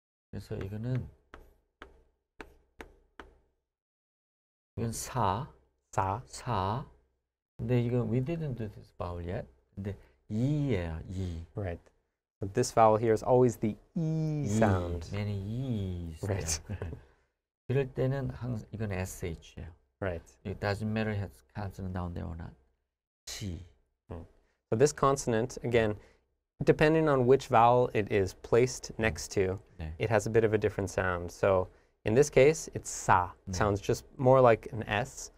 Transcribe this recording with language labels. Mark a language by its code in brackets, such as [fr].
[ko] 그래서 이거는 이건 사. 사. 사. 근데 이건 [en] we didn't do this vowel yet. [ko] 근데 이예요, 이. [en] Right. But this vowel here is always the E sound. Many E's. Right. [ko] 그럴 때는 항상 이건 SH예요. [en] Right. It doesn't matter if it's consonant down there or not. T. So this consonant, again, depending on which vowel it is placed next to, [ko] 네. [en] it has a bit of a different sound. So in this case, it's sa. [ko] 네. [en] It sounds just more like an S.